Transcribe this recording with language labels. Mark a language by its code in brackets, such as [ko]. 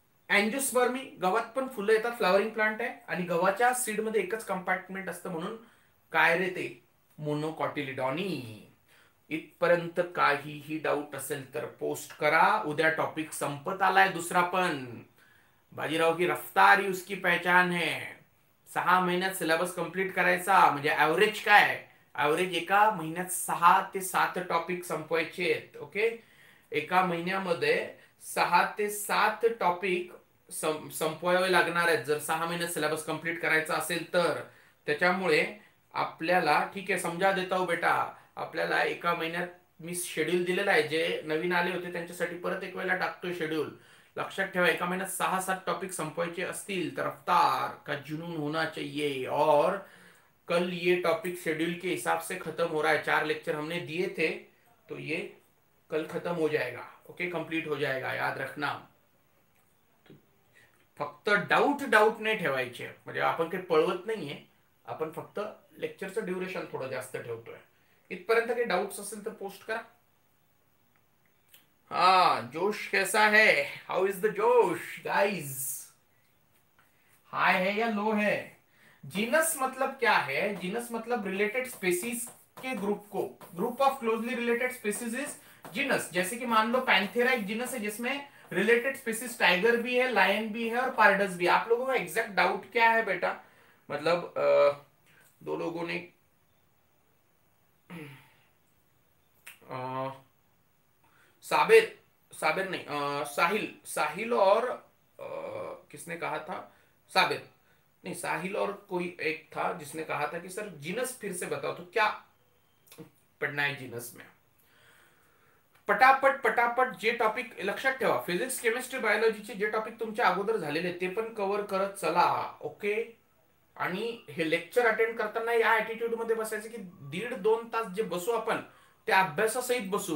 [mr] Angiospermae, गव्हात पण फुलं येतात, फ्लावरिंग प्लांट आहे. आणि गव्हाच्या सीड मध्ये एकच कंपार्टमेंट असतं म्हणून काय रे ते? मोनोकॉटिलिडॉनी. इथपर्यंत काहीही डाऊट असेल तर पोस्ट करा, उद्या टॉपिक संपत आलाय दुसरा पण. [hi] बाजीराव की रफ्तार ही उसकी पहचान है. [mr] 6 महिन्यात सिलेबस कंप्लीट करायचा म्हणजे ऍव्हरेज काय? ऍव्हरेज एका महिन्यात 6 ते 7 टॉपिक संपवायचे आहेत. ओके, एका महिन्यामध्ये 6 ते 7 टॉपिक संपवावे लागणार आहेत जर 6 महिन्यात सिलेबस कंप्लीट करायचा असेल तर. त्याच्यामुळे आपल्याला, ठीक आहे समजा देता हो बेटा, आपल्याला एका महिन्यात मी शेड्यूल दिलेला आहे, जे नवीन आले होते त्यांच्यासाठी परत एक वेळेला टाकतोय शेड्यूल. लक्षात ठेवा एका महिन्यात 6-7 टॉपिक संपवायचे असतील तर [hi] रफ्तार का जुनून होना चाहिए. और कल ये टॉपिक शेड्यूल के हिसाब से खत्म हो रहा है, 4 लेक्चर हमने दिए थे तो ये कल खत्म हो जाएगा. ओके, कंप्लीट हो जाएगा, याद रखना. [mr] फक्त डाउट डाउट नाही ठेवायचे, म्हणजे आपण काही पळवत नाहीये, आपण फक्त लेक्चरचं ड्युरेशन थोडं जास्त ठेवतोय. इथपर्यंत काही डाउट्स असेल तर पोस्ट करा. [hi] हा जोश कैसा है? [en] How is the josh guys? [hi] हाय है या लो है? जीनस मतलब क्या है? जीनस मतलब रिलेटेड स्पेसीज के ग्रुप को, [en] Group of closely related species is genus. [hi] जैसे कि मान लो पैंथेरा एक जीनस है जिसमें रिलेटेड स्पेसीज टाइगर भी है, लायन भी है और पार्डस भी। आप लोगों का एग्जैक्ट डाउट क्या है बेटा? मतलब दो लोगों ने साबिर, साबिर नहीं साहिल, साहिल और किसने कहा था? साबिर नहीं, साहिल और कोई एक था जिसने कहा था कि सर जीनस फिर से बताओ, तो क्या पढ़ना है जीनस में? [mr] पटापट पटापट जे टॉपिक लक्षात ठेवा, फिजिक्स केमिस्ट्री बायोलॉजी चे जे टॉपिक तुमच्या अगोदर झालेले ते पण कव्हर करत चला, ओके? आणि हे लेक्चर अटेंड करताना या ऍटिट्यूड मध्ये बसायचं की 1.5-2 तास जे बसू आपण त्या अभ्यासासहित बसू।